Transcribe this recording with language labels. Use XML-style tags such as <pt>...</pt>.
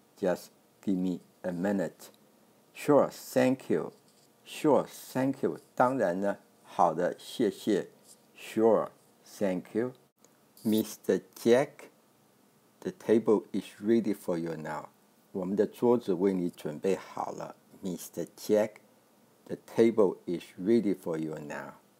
<en>Just give me a minute. Sure, thank you. Sure, thank you.</en> <zh>当然呢，好的，谢谢。</zh> <en>Sure, thank you. Mr. Jack, the table is ready for you now.</en> <zh>我们的桌子为你准备好了。</zh> <en>Mr. Jack,The table is ready for you now.</en>